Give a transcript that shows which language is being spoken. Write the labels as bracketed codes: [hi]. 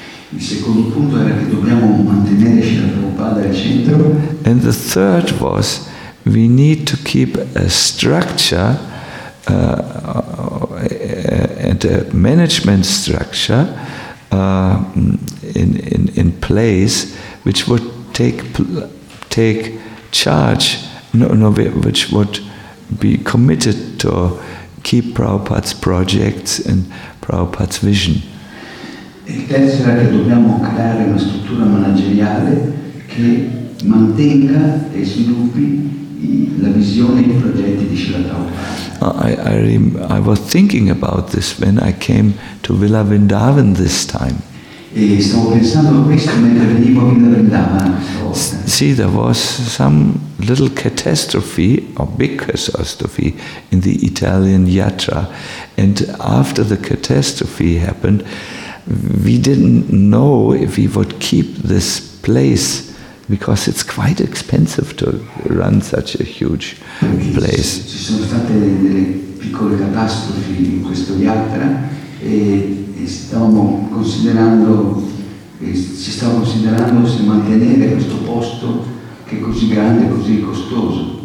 [en] And the third was we need to keep a structure and a management structure in place which would take charge, which would be committed to keep Prabhupada's projects and Prabhupada's vision. [it] Il terzo era che dobbiamo creare una struttura manageriale che mantenga e sviluppi la visione e i progetti di Srila Prabhupada. [en] I was thinking about this when I came to Villa Vrindavan this time. See, there was some little catastrophe or big catastrophe in the Italian Yatra, and after the catastrophe happened, we didn't know if we would keep this place because it's quite expensive to run such a huge place. [it] Ci sono state delle piccole catastrofi in questo Yatra e ci stavamo considerando se mantenere questo posto che è così grande, così costoso.